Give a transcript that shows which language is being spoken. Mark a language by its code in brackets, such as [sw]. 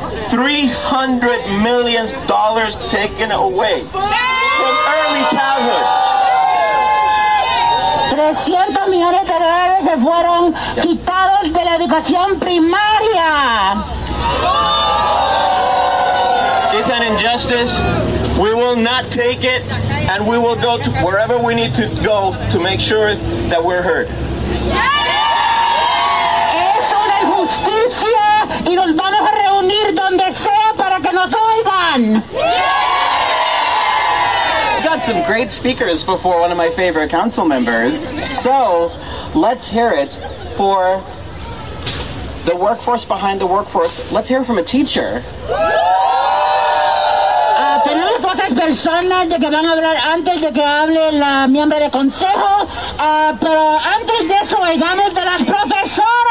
[en] $300 million taken away. From early childhood. [es] 300 millones de dólares se fueron quitados de la educación primaria. [en] It's an injustice. We will not take it, and we will go to wherever we need to go to make sure that we're heard. [es] Es una injusticia, y nos vamos a reunir donde sea para que nos oigan. [en] We got some great speakers before one of my favorite council members. So, let's hear it for the workforce behind the workforce. Let's hear from a teacher. [es] Tenemos otras personas de que van a hablar antes de que hable la miembro de consejo, pero antes de eso oigamos de las profesoras.